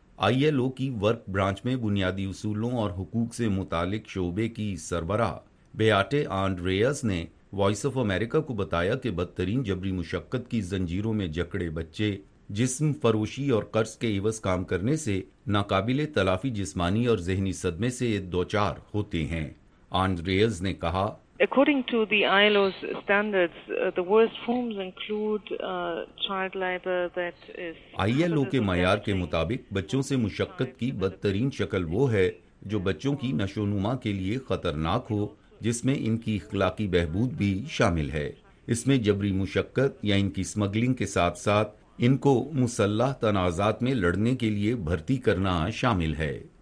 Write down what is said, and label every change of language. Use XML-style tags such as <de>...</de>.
<ur>I L O کی work branch میں بنیادی اصولوں اور حقوق سے متعلق شعبے کی سربراہ بیاٹے آنڈریاس نے وائس آف امریکہ کو بتایا کہ بدترین جبری مشقت کی زنجیروں میں جکڑے بچے جسم فروشی اور قرض کے عوض کام کرنے سے ناقابل تلافی جسمانی اور ذہنی صدمے سے دوچار ہوتے ہیں۔ آنڈریز نے کہا،</ur> <en>According to the ILO's standards, the worst forms include child labor that is...</en> <ur>ILO کے معیار کے مطابق بچوں سے مشقت کی بدترین شکل وہ ہے جو بچوں کی نشو نما کے لیے خطرناک ہو، جس میں ان کی اخلاقی بہبود بھی شامل ہے۔ اس میں جبری مشقت یا ان کی اسمگلنگ کے ساتھ ساتھ ان کو مسلح تنازعات میں لڑنے کے لیے بھرتی کرنا شامل ہے۔</ur>